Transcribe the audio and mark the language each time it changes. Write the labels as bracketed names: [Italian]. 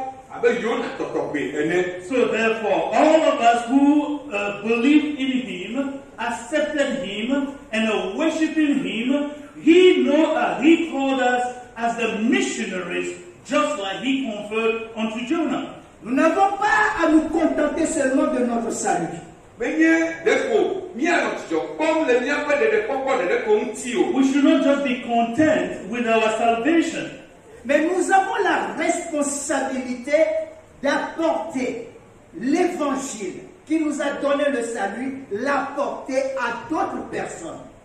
[English] So therefore, all of us who believe in him, accepted him, and are worshiping him, he knows that he called us as the missionaries, just like he conferred unto Jonah. [French] Nous n'avons pas à nous contenter seulement de notre salut. [English] We should not just be content with our salvation. [French] Mais nous avons la responsabilité d'apporter l'évangile qui nous a donné le salut, l'apporter à d'autres personnes.